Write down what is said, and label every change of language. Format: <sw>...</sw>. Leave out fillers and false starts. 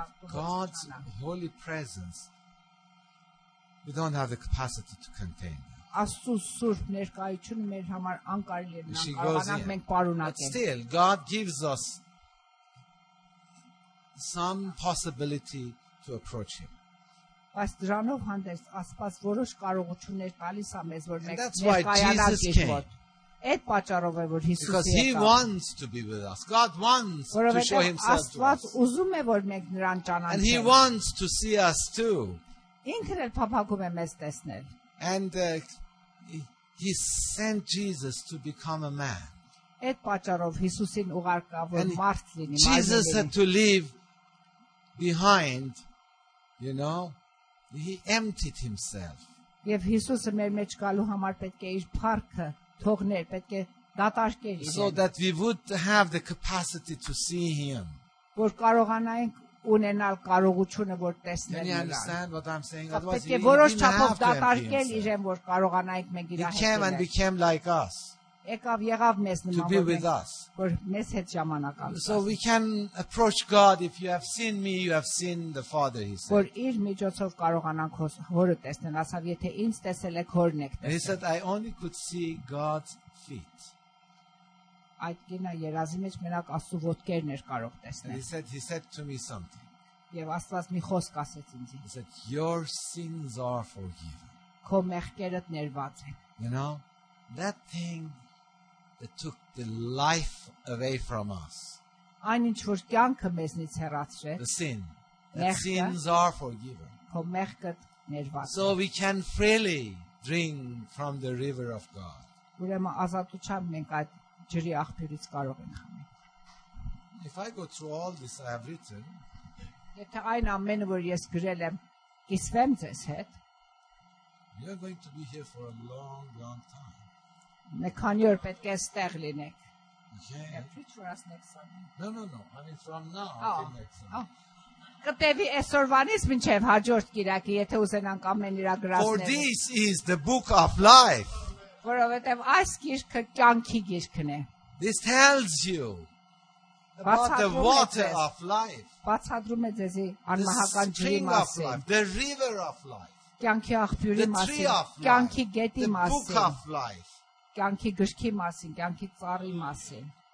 <en>God's holy presence, we don't have the capacity to contain it.</en> <hy>Աստուծո սուրբ ներկայությունը մեր համար անկարելի է նրան առանց մենք պարունակենք.</hy> <en>But still, God gives us some possibility to approach him.</en> <hy>Բայց դրանով հանդես Աստված որոշ կարողություններ տալիս է մեզ որ մենք ներկայանալ Իսուսին։ Այդ պատճառով է որ Հիսուսը եկավ.</hy> <en>Because he wants to be with us. God wants to show himself to us.</en> <hy>Աստված ուզում է որ մենք նրան ճանաչենք։</hy> <en>And he wants to see us too.</en> <hy>Ինքն էլ փափագում է մեզ տեսնել։</hy> <en>And he sent Jesus to become a man.</en> <hy>Այդ պատճառով Հիսուսին ուղարկավ, որ մարդ լինի։</hy> <en>Jesus had to leave behind, you know, he emptied himself.</en> <hy>Եվ Հիսուսը մեր մեջ գալու համար պետք է իր փառքը թողներ, պետք է դատարկեր իրեն.</hy> <en>So that we would have the capacity to see him.</en> <hy>Որ կարողանայինք ունենալ կարողությունը, որ տեսնել իրեն։ Պետք է որոշ չափով դատարկել իրեն, որ կարողանայինք մենք իրար հասնել։</hy> <en>He came and became like us.</en> <hy>Եկավ, եղավ մեզ նման,</hy> <en>to be with us.</en> <hy>Որ մեզ հետ ժամանակ անցավ։</hy> <en>So we can approach God. If you have seen me, you have seen the Father, he said.</en> <hy>Որ իր միջոցով կարողանանք Հորը տեսնել, ասավ, եթե ինձ տեսել եք, Հորն եք տեսել։</hy> <en>He said, I only could see God's feet.</en> <hy>Այդ կինը երազի մեջ մենակ Աստու ոտքերն էր կարող տեսնել։</hy> <en>He said to me something.</en> <hy>Եվ Աստված մի խոսք ասեց ինձ։</hy> <en>He said, your sins are forgiven.</en> <hy>Քո մեղքերդ ներված են։</hy> <en>You know, that thing that took the life away from us.</en> <hy>Այն ինչ որ կյանքը մեզնից հեռացրեց.</hy> <en>The sin. That sins are forgiven.</en> <hy>Քո մեղքդ ներված է։</hy> <en>So we can freely drink from the river of God.</en> <hy>Ուրեմն ազատությամբ մենք այդ ջրի աղբյուրից կարող ենք խմել։</hy> <en>If I go through all this I have written.</en> <hy>Եթե այն ամենը որ ես գրել եմ, կիսվեմ ձեզ հետ։</hy> <en>You are going to be here for a long, long time.</en> <hy>Նկանյոր պետք է ստեղ լինեք։</hy> <en>No. I mean from now to next Sunday.</en> <hy>Կտեվի այսօրվանից մինչև հաջորդ կիրակի, եթե ուզենանք ամեն իրագրացնել։</hy> <en>For this is the book of life.</en> <hy>Որովհետև այս գիրքը կյանքի գիրքն է։</hy> <en>This tells you about the water of life.</en> <hy>Բացադրում է ձեզի անմահական ջրի մասին։</hy> <en>The river of life.</en> <hy>Կյանքի աղբյուրի մասին, կյանքի գետի մասին, կյանքի գրքի մասին, կյանքի ծառի մասին։</hy>